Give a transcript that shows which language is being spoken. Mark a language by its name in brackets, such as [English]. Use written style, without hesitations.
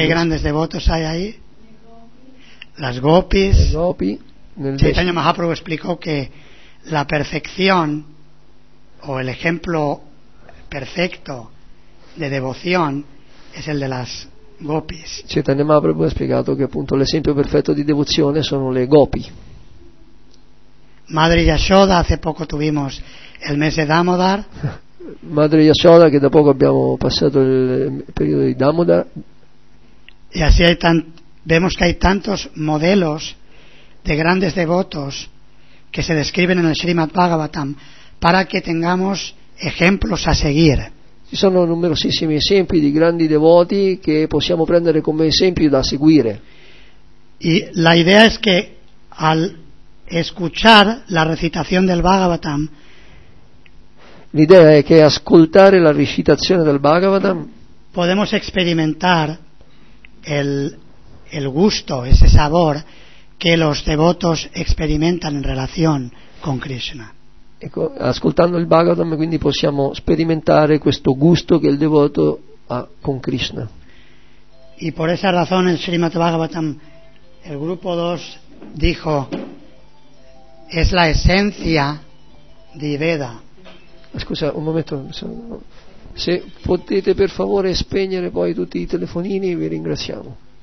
[Spanish] ¿Qué grandes devotos hay ahí? Las gopis. Chaitanya Mahaprabhu explicó que la perfección o el ejemplo perfecto de devoción es el de las gopis. [Italian] Chaitanya Mahaprabhu [Spanish] ha explicado [Italian] que appunto l'esempio perfetto di devozione sono le gopi. [Spanish] Madre Yashoda, hace poco tuvimos el mes de Damodar. [Italian] Madre Yashoda, [Spanish] que de poco [Italian] abbiamo passato il periodo di Damodar. [Spanish] Y así hay vemos que hay tantos modelos de grandes devotos que se describen en el Srimad Bhagavatam para que tengamos ejemplos a seguir. [Italian] Ci sono numerosissimi esempi di grandi devoti che possiamo prendere come esempi da seguire. [Spanish] Y la idea es que al escuchar la recitación del Bhagavatam, [Italian] l'idea è che ascoltare la recitazione del Bhagavatam [Spanish] podemos experimentar el gusto, ese sabor que los devotos experimentan en relación con Krishna. [Italian] Ecco, ascoltando il Bhagavatam quindi possiamo sperimentare questo gusto che il devoto ha con Krishna. [Spanish] Y por esa razón el Srimad Bhagavatam, el grupo 2, dijo, es la esencia de Veda. [Italian] Scusa, un momento. Se potete per favore spegnere poi tutti i telefonini, vi ringraziamo.